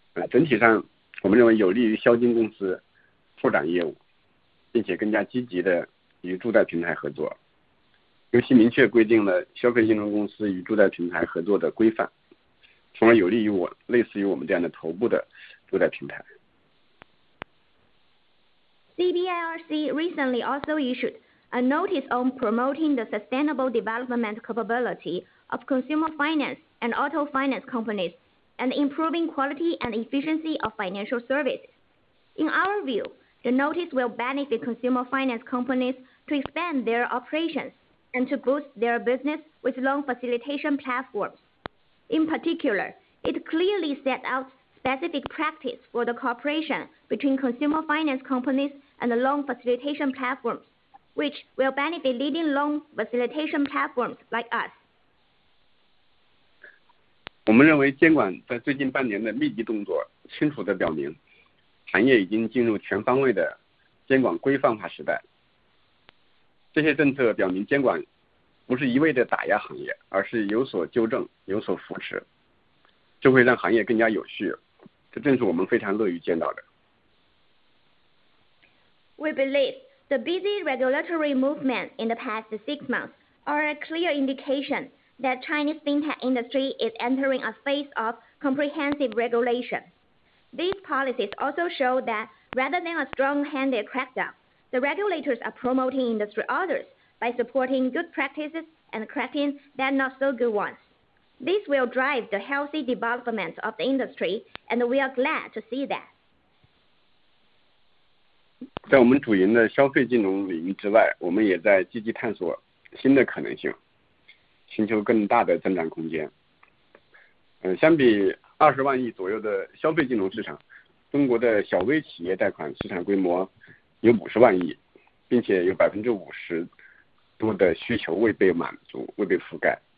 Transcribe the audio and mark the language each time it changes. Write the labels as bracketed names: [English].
[Chinese] 整体上，我们认为有利于销金公司拓展业务，并且更加积极地与助贷平台合作，尤其明确规定了消费金融公司与助贷平台合作的规范，从而有利于类似于我们这样的头部的助贷平台。 [English] CBIRC recently also issued a notice on promoting the sustainable development capability of consumer finance and auto finance companies and improving quality and efficiency of financial services. In our view, the notice will benefit consumer finance companies to expand their operations and to boost their business with loan facilitation platforms. In particular, it clearly set out specific practice for the cooperation between consumer finance companies and the loan facilitation platforms, which will benefit leading loan facilitation platforms like us. [Chinese] 我们认为监管在最近半年的密集动作清楚地表明，行业已经进入全方位的监管规范化时代。这些政策表明监管不是一味的打压行业，而是有所纠正，有所扶持，就会让行业更加有序，这正是我们非常乐于见到的。 [English] We believe the busy regulatory movement in the past 6 months are a clear indication that Chinese fintech industry is entering a phase of comprehensive regulation. These policies also show that rather than a strong-handed crackdown, the regulators are promoting industry orders by supporting good practices and correcting the not so good ones. This will drive the healthy development of the industry, and we are glad to see that. [Chinese] 在我们主营的消费金融领域之外，我们也在积极探索新的可能性，寻求更大的增长空间。相比20万亿左右的消费金融市场，中国的小微企业贷款市场规模有50万亿，并且有50%多的需求未被满足，未被覆盖。